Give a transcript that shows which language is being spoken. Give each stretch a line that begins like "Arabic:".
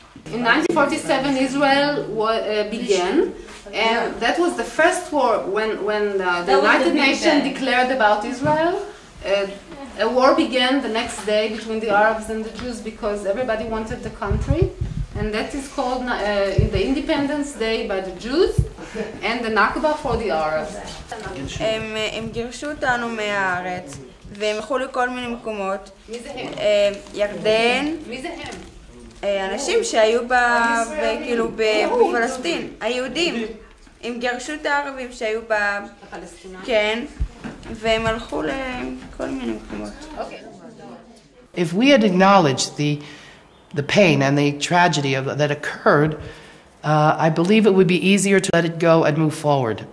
English: In 1947, Israel began, and that was the first war when the United Nations declared about Israel. A war began the next day between the Arabs and the Jews because everybody wanted the country, and that is called the Independence Day by the Jews and the Nakba for the Arabs.
Hebrew: הם גירשו אותנו מהארץ, והם הלכו לכל מיני מקומות. ירדן. אנשים שהיו כאילו בפלסטין, היהודים, הם גירשו את הערבים שהיו בפלסטינה. כן, והם הלכו לכל מיני מקומות.
English: If we had acknowledged the pain and the tragedy that occurred, I believe it would be easier to let it go and move forward.